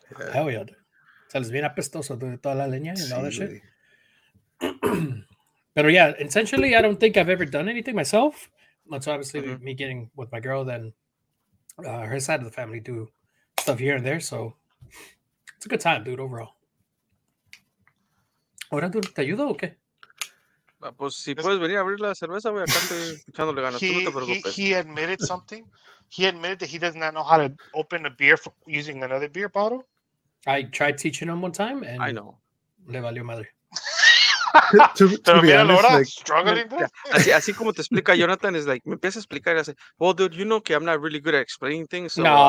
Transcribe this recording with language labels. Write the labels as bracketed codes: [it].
[en] Yeah. Hell yeah, dude. [es] Sales bien apestoso de toda la leña [en] and all that shit. But yeah, intentionally, I don't think I've ever done anything myself. But so obviously, me getting with my girl, then her side of the family do stuff here and there. So it's a good time, dude, overall. [es] Ahora, dude, ¿te ayudo o qué? Pues si puedes venir a abrir la cerveza, voy acá echándole ganas. [en] He admitted something. He admitted that he does not know how to open a beer using another beer bottle. I tried teaching him one time, and I know. [es] Le valió madre. [en] To be honest, Laura, like, struggling. Yeah. [es] Así como te explica Jonathan, es [en] like, [es] me empieza a explicar, y hace, [en] well, dude, you know que I'm not really good at explaining things. So,